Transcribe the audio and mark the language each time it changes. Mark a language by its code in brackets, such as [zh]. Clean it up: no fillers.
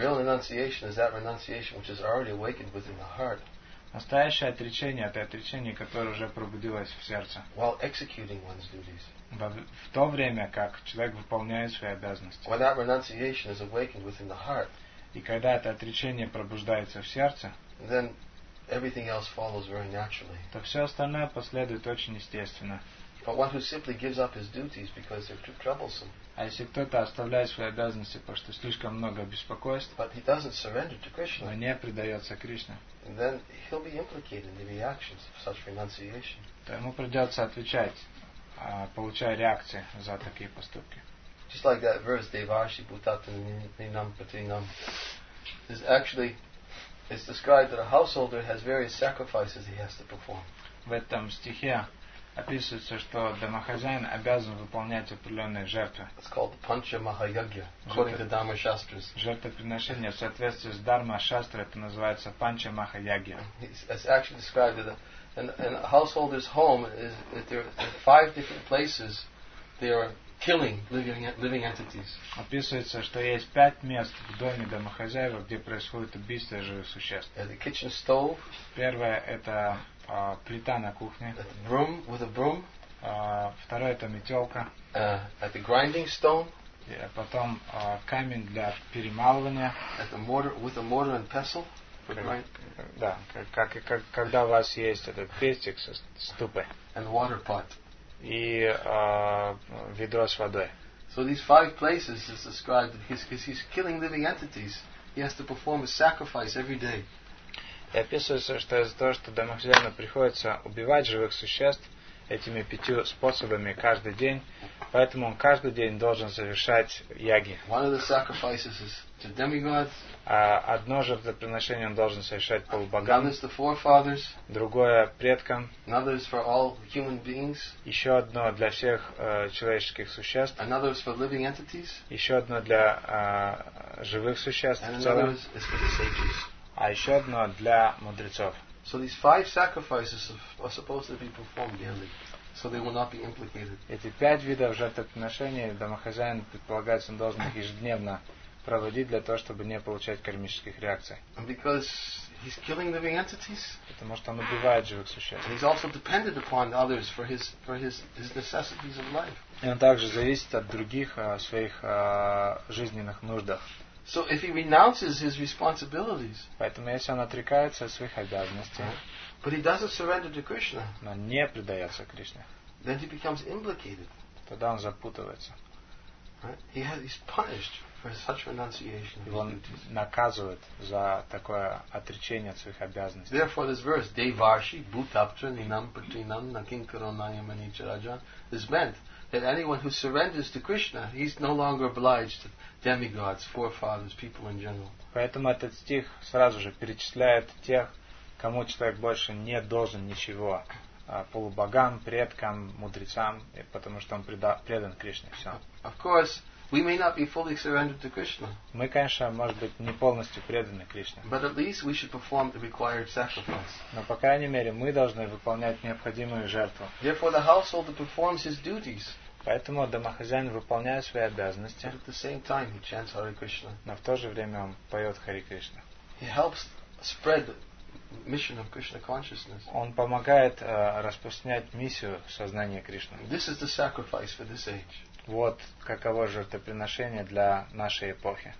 [en] Real renunciation is that renunciation which is already awakened within the heart. [ru] Настоящее отречение — это отречение, которое уже пробудилось в сердце. [en] While executing one's duties. [ru] В то время, как человек выполняет свои обязанности. [en] When that renunciation is awakened within the heart. [ru] И когда это отречение пробуждается в сердце, [en] then everything else follows very naturally. [ru] То все остальное последует очень естественно. [en] But one who simply gives up his duties because they're too troublesome. [ru] А если кто-то оставляет свои обязанности, потому что слишком много беспокойств, [en] but he doesn't surrender to Krishna, [ru] но не предается Кришне, [en] then he'll be implicated in the reactions of such renunciation. [ru] То ему придется отвечать, получая реакции за такие поступки. [en] Just like that verse, Devashi Bhutata Ninam Patinam, is actually. It's described that a householder has various sacrifices he has to perform. [ru] В этом стихе описывается, что домохозяин обязан выполнять определенные жертвы. [en] It's called the Pancha Mahayagya, according to Dharma Shastras. [ru] Жертвоприношение в соответствии с Дарма Шастра, это называется Pancha Mahayagya. [en] It's actually described that in a householder's home is that there are five different places they are killing living entities. [ru] Описывается, что есть пять мест в доме домохозяева, где происходит убийство живых существ. [en] The kitchen stove. [ru] Первое — это плита на кухне. [en] The broom with a broom. [ru] Второе — это метелка. [en] At the grinding stone. [ru] И потом камень для перемалывания. [en] At the mortar with a mortar and pestle. [ru] Да, когда у вас есть этот пестик со ступой. [en] And water pot. [ru] И ведро с водой. [en] So these five places is described that he's killing living entities. He has to perform a sacrifice every day. [ru] И описывается, что из-за того, что домохозяину приходится убивать живых существ, этими пятью способами каждый день, поэтому он каждый день должен совершать яги. [en] One of the sacrifices is to demigods. [ru] А одно жертвоприношение он должен совершать полубогам. [en] Another is the forefathers. [ru] Другое предкам. [en] Another is for all human beings. [ru] Еще одно для всех человеческих существ. [en] Another is for living entities. [ru] Еще одно для живых существ. [en] And another is for the sages. [ru] А еще одно для мудрецов. [en] So these five sacrifices are supposed to be performed daily, so they will not be implicated. [ru] Эти пять видов жертвоприношений домохозяин предполагается должен их ежедневно проводить для того, чтобы не получать кармических реакций. [en] And because he's killing living entities. [ru] Потому что он убивает живых существ. [en] And he's also dependent upon others for his necessities of life. [ru] И он также зависит от других своих жизненных нуждах. [en] So if he renounces his responsibilities, [ru] поэтому если он отрекается от своих обязанностей, [en] but he doesn't surrender to Krishna, [ru] но не предается Кришне, [en] then he becomes implicated. [ru] Тогда он запутывается. [en] Right? He's punished for such renunciation. [ru] Его наказывают за такое отречение от своих обязанностей. [en] Therefore, this verse, Devarshi, Bhutaptra, Ninam, Patrinam, Nakinkaranayam, Anicharajan, is meant that anyone who surrenders to Krishna, he's no longer obliged to demigods, forefathers, people in general. [ru] Поэтому этот стих сразу же перечисляет тех, кому человек больше не должен ничего, полубогам, предкам, мудрецам, потому что он предан Кришне. Все. [en] Of course, we may not be fully surrendered to Krishna. [ru] Мы, конечно, может быть, не полностью преданы Кришне. [en] But at least we should perform the required sacrifice. [ru] Но по крайней мере мы должны выполнять необходимую жертву. [en] Therefore, the householder performs his duties. [ru] Поэтому домохозяин выполняет свои обязанности. [en] At the same time he chants Hare Krishna. [ru] Но в то же время он поет Хари Кришна. [en] He helps spread the mission of Krishna consciousness. [ru] Он помогает распространять миссию сознания Кришны. [en] This is the sacrifice for this age. [ru] Вот каково жертвоприношение для нашей эпохи.